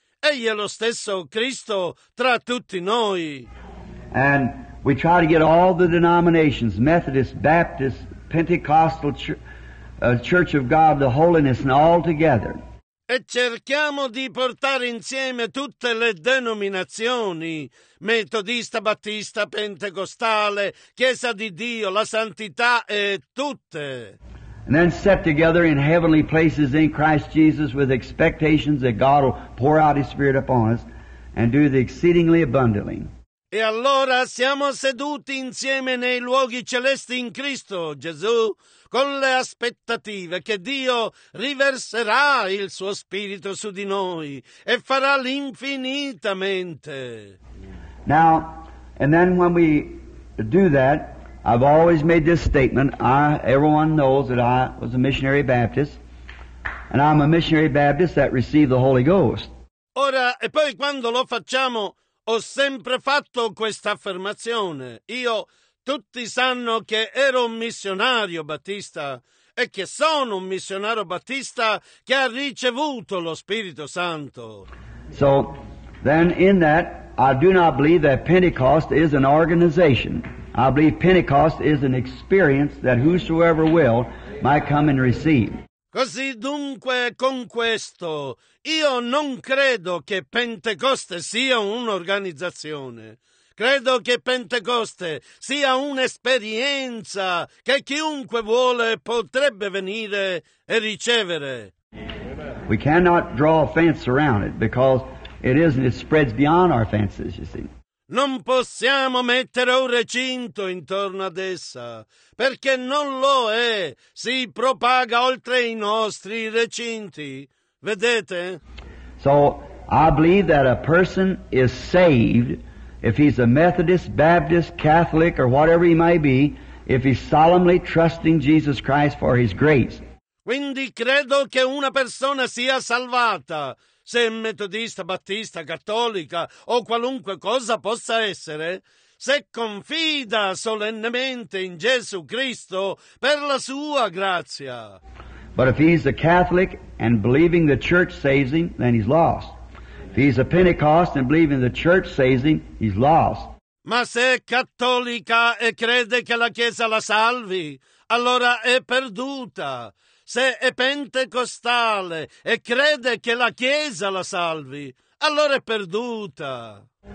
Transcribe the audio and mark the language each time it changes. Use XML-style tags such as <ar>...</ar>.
<it>Egli è lo stesso Cristo tra tutti noi.</it> <en>And we try to get all the denominations, Methodist, Baptist, Pentecostal, Church of God, the Holiness, and all together.</en> <it>E cerchiamo di portare insieme tutte le denominazioni, metodista, battista, pentecostale, chiesa di Dio, la santità e tutte.</it> <en>And then set together in heavenly places in Christ Jesus with expectations that God will pour out His Spirit upon us and do the exceedingly abundantly.</en> <it>E allora siamo seduti insieme nei luoghi celesti in Cristo Gesù, con le aspettative che Dio riverserà il suo Spirito su di noi e farà l'infinitamente.</it> <en>Now, and then when we do that, I've always made this statement. Everyone knows that I was a missionary Baptist, and I'm a missionary Baptist that received the Holy Ghost.</en> <it>Ora, e poi quando lo facciamo, ho sempre fatto questa affermazione. Io, tutti sanno che ero un missionario battista e che sono un missionario battista che ha ricevuto lo Spirito Santo.</it> <en>So, then in that, I do not believe that Pentecost is an organization. I believe Pentecost is an experience that whosoever will might come and receive.</en> <it>Così dunque con questo, io non credo che Pentecoste sia un'organizzazione. Credo che Pentecoste sia un'esperienza che chiunque vuole potrebbe venire e ricevere.</it> <en>We cannot draw a fence around it because it isn't, it spreads beyond our fences, you see.</en> <it>Non possiamo mettere un recinto intorno ad essa, perché non lo è, si propaga oltre i nostri recinti. Vedete?</it> <en>So I believe that a person is saved if he's a Methodist, Baptist, Catholic, or whatever he may be, if he's solemnly trusting Jesus Christ for his grace.</en> <it>Quindi credo che una persona sia salvata, se è metodista, battista, cattolica o qualunque cosa possa essere, se confida solennemente in Gesù Cristo per la sua grazia.</it> <en>But if he's a Catholic and believing the church saves him, then he's lost. If he's a Pentecost and believing the church saves him, he's lost.</en> <it>Ma se è cattolica e crede che la Chiesa la salvi, allora è perduta. Se è pentecostale e crede che la Chiesa la salvi, allora è perduta.</it>